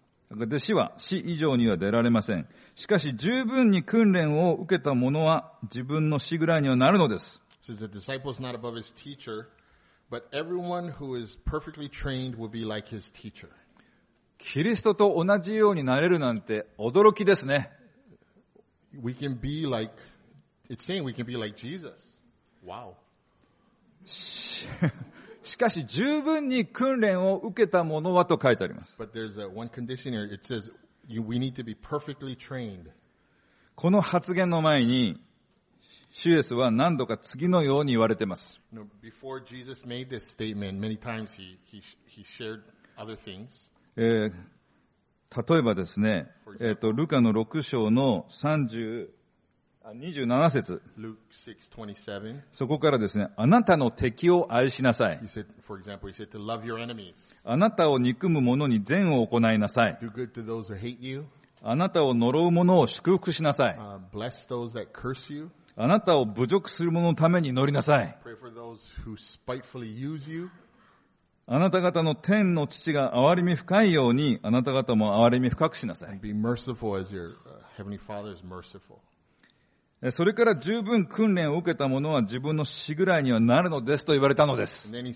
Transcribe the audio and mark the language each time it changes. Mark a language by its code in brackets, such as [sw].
[ja] 弟子は死以上には出られません。しかし十分に訓練を受けた者は自分の死ぐらいにはなるのです。 [en] So the disciple is not above his teacher, but everyone who is perfectly trained will be like his teacher. [ja] キリストと同じようになれるなんて驚きですね。 [en] We can be like, it's saying we can be like Jesus. Wow. [ja] しかし十分に訓練を受けた者はと書いてあります。 [en] But there's one condition here. It says we need to be perfectly trained. [ja] この発言の前に、主イエスは何度か次のように言われています。 [en] Before Jesus made this statement, many times he shared other things. [ja] 例えばですね、ルカの6章の27節。 [en] Luke 6:27. [ja] そこからですね、あなたの敵を愛しなさい。 [en] He said, for example, he said to love your enemies. [ja] あなたを憎む者に善を行いなさい。 [en] Do good to those who hate you. [ja] あなたを呪う者を祝福しなさい。 [en] Bless those that curse you. [ja] あなたを侮辱する者のために祈りなさい。 [en] Pray for those who spitefully use you. [ja] あなた方の天の父が憐れみ深いようにあなた方も憐れみ深くしなさい。 [en] Be merciful as your heavenly Father is merciful. [ja] それから十分訓練を受けた者は自分のしぐらいにはなるのですと言われたのです。